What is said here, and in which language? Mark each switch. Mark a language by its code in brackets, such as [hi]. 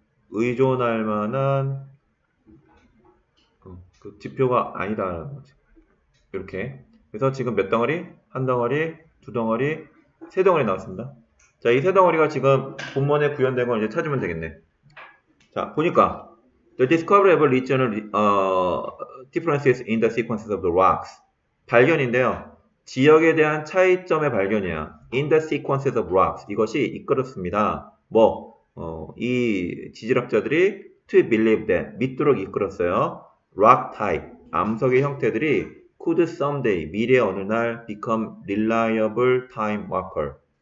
[ko] 의존할 만한 그 지표가 아니다라는 거지. 이렇게. 그래서 지금 몇 덩어리? 한 덩어리, 두 덩어리, 세 덩어리 나왔습니다. 자, 이세 덩어리가 지금 본문에 구현된 걸 이제 찾으면 되겠네. 자, 보니까 [en] The discovery of regional differences in the sequences of the rocks. [ko] 발견인데요. 지역에 대한 차이점의 발견이야. [en] In the sequences of rocks. [ko] 이것이 이끌었습니다. 이 지질학자들이 [en] to believe that [ko] 믿도록 이끌었어요. [en] rock type. [ko] 암석의 형태들이 [en] could someday, [ko] 미래 어느 날, [en] become reliable time marker.